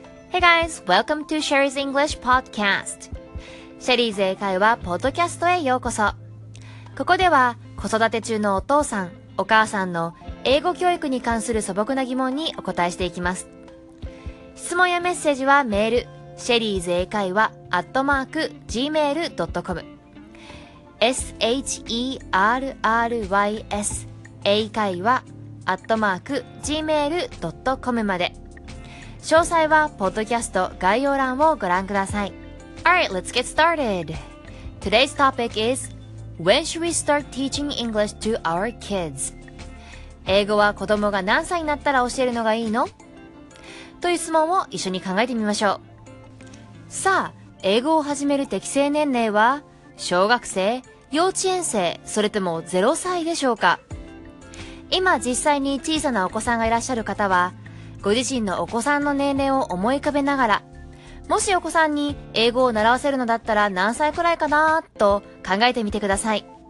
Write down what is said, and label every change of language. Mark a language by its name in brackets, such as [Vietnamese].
[English] Hey guys, welcome to Sherry's English Podcast. [Japanese] Sherry's 英会話ポッドキャストへようこそ。ここでは子育て中のお父さん、お母さんの英語教育に関する素朴な疑問にお答えしていきます。質問やメッセージはメール、Sherry's 英会話@gmail.com。 Sherry's 英会話@gmail.com まで。詳細はポッドキャスト概要欄をご覧ください。 [English] Alright, let's get started. Today's topic is, when should we start teaching English to our kids? [Japanese] 英語は子供が何歳になったら教えるのがいいの?という質問を一緒に考えてみましょう。さあ、英語を始める適正年齢は、小学生、幼稚園生、それとも0歳でしょうか? 今実際に小さなお子さんがいらっしゃる方は、ご自身のお子さんの年齢を思い浮かべながら、もしお子さんに英語を習わせるのだったら何歳くらいかなと考えてみてください。